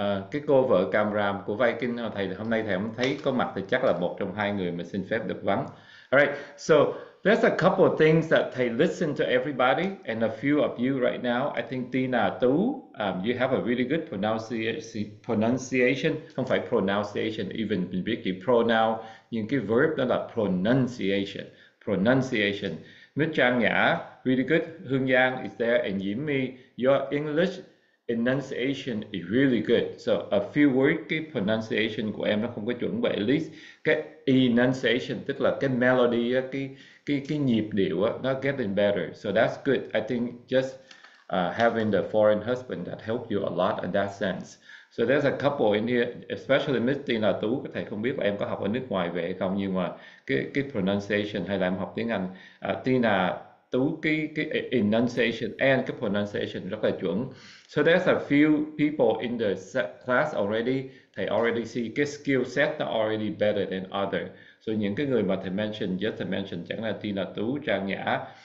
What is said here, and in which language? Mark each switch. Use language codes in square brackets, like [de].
[vi] Cái cô vợ camera của Viking thầy hôm nay thầy không thấy có mặt thì chắc là một trong hai người mà xin phép được vắng. [en] All right. So there's a couple of things that thầy listen to everybody and a few of you right now. I think Tina Tú, you have a really good pronunciation. [vi] Không phải pronunciation, even mình biết cái pronoun, nhưng cái verb đó là pronunciation. [en] Pronunciation. Miss Trang Nhã, really good. Hương Giang is there, and Yim Mi, your English enunciation is really good. So a few words, [vi] cái pronunciation của em nó không có chuẩn, [en] but at least [vi] cái enunciation, tức là cái melody, cái nhịp điệu, nó [en] getting better. So that's good. I think just having the foreign husband that helped you a lot in that sense. So there's a couple in here, especially Miss Tina Tú, [vi] thầy không biết em có học ở nước ngoài về hay không, nhưng mà cái pronunciation hay là em học tiếng Anh, Tina Tú, cái enunciation and cái pronunciation rất là chuẩn. [en] So there's a few people in the class already, thầy already see cái skill set that already better than other. So [vi] những cái người mà thầy [en] mentioned, just to mention, [vi] chẳng là [en] Tina Tú, Trang Nhã,